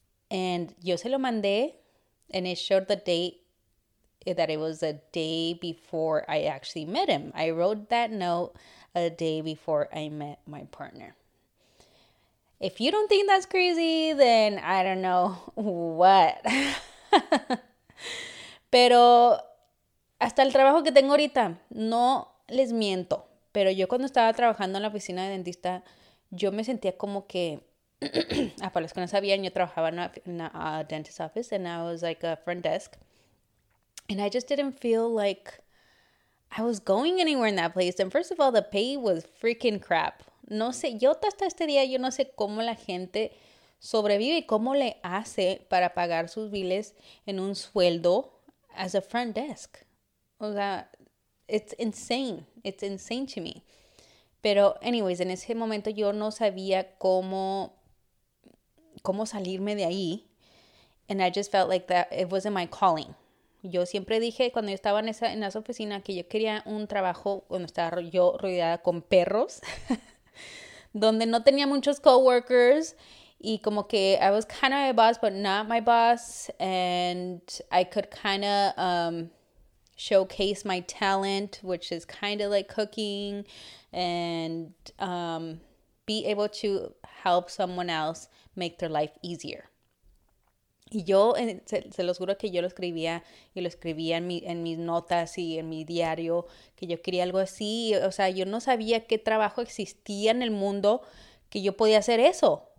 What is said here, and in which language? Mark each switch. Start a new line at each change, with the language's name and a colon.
English: And
Spanish: yo se lo mandé
English: and it showed the date that it was a day before I actually met him. I wrote that note a day before I met my partner. If you don't think that's crazy, then I don't know what.
Spanish: Pero hasta el trabajo que tengo ahorita, no les miento. Pero yo cuando estaba trabajando en la oficina de dentista, yo me sentía como que, para los que no sabían, yo trabajaba en
English: a dentist office and I was like a front desk. And I just didn't feel like I was going anywhere in that place. And first of all, the pay was freaking crap.
Spanish: No sé, yo hasta este día, yo no sé cómo la gente sobrevive y cómo le hace para pagar sus biles en un sueldo
English: as a front desk.
Spanish: O sea,
English: it's insane. It's insane to me.
Spanish: Pero, anyways, en ese momento yo no sabía cómo salirme de ahí.
English: And I just felt like that it wasn't my calling.
Spanish: Yo siempre dije cuando yo estaba en esa oficina que yo quería un trabajo cuando estaba yo rodeada con perros. donde no tenía muchos coworkers y como que
English: I was kind of my boss, but not my boss, and I could kind of showcase my talent, which is kind of like cooking, and be able to help someone else make their life easier.
Spanish: Y yo, se los juro que yo lo escribía y lo escribía en mis notas y en mi diario, que yo quería algo así. O sea, yo no sabía qué trabajo existía en el mundo que yo podía hacer eso.